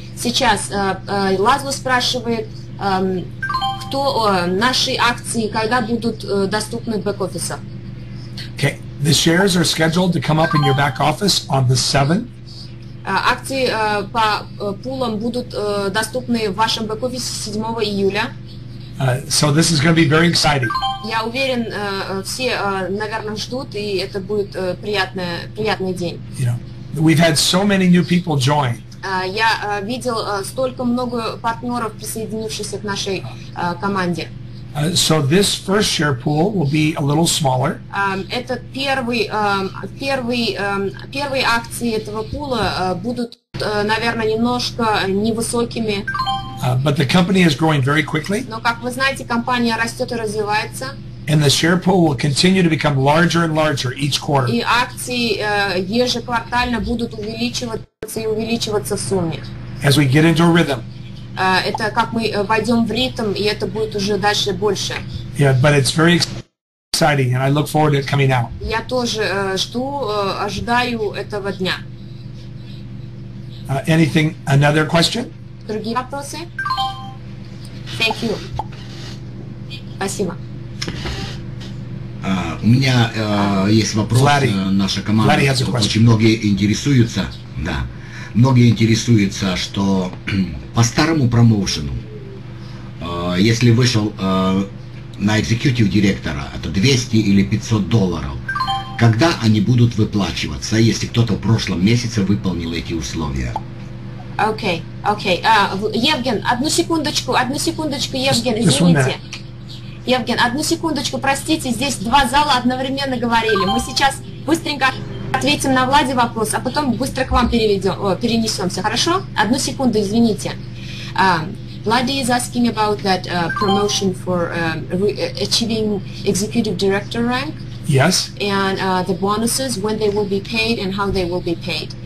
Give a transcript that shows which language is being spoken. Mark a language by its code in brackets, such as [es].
[ru] Сейчас Лазло спрашивает, кто наши акции когда будут доступны в back office? [en] Okay. The shares are scheduled to come up in your back office on the 7th. [ru] Акции по пулам будут доступны в вашем бэк-офисе 7 июля. [en] So this is going to be very exciting. [ru] Я уверен, все, наверное, ждут, и это будет приятный день. [en] You know, we've had so many new people join. [ru] Я видел столько много партнеров, присоединившихся к нашей команде. [en] So this first share pool will be a little smaller. [ru] Этот первые акции этого пула будут, наверное, немножко невысокими. [en] But the company is growing very quickly. [ru] Но, как вы знаете, компания растет и развивается. [en] And the share pool will continue to become larger and larger each quarter. [ru] И акции ежеквартально будут увеличиваться и увеличиваться в сумме. [en] As we get into a rhythm. [ru] Это как мы войдем в ритм, и это будет уже дальше больше. [en] Yeah, but it's very exciting, and I look forward to it coming out. [ru] Я тоже жду, ожидаю этого дня. [en] Anything, another question? [ru] Другие вопросы? [en] Thank you. [ru] Спасибо. У меня есть вопрос. Влади. Наша команда. [en] Влади has a question. [ru] Очень многие интересуются, да. Многие интересуются, что по старому промоушену, если вышел на экзекьютив директора, это $200 или $500, когда они будут выплачиваться, если кто-то в прошлом месяце выполнил эти условия? Окей, окей. Евген, одну секундочку, Евген, извините. Евген, одну секундочку, простите, здесь два зала одновременно говорили. Мы сейчас быстренько ответим на Влади вопрос, а потом быстро к вам перенесемся, хорошо? Одну секунду, извините. [en] Влади is asking about that promotion for achieving executive director rank. Yes. And the bonuses, when they will be paid and how they will be paid.